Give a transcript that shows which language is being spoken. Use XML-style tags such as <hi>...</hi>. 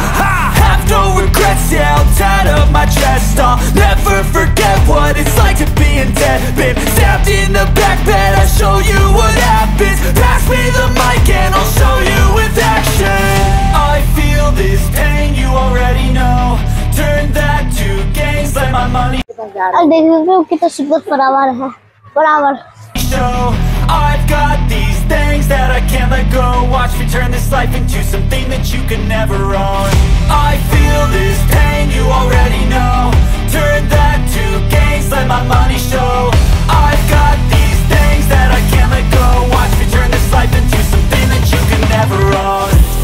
<en>I have no regrets, yeah, I'll tied up my chest. I'll never forget what it's like to be in debt. Been stabbed in the back bed, I'll show you what happens. Pass me the mic and I'll show you with action. I feel this pain, you already know.</en> <hi>अब देख रहे हो कितना सुंदर flower है, flower.</hi> <en>I've got these things that I can't let go. Watch me turn this life into something that you can never own. I feel this pain, you already know. Turn that to gains, let my money show. I've got these things that I can't let go. Watch me turn this life into something that you can never own.</en>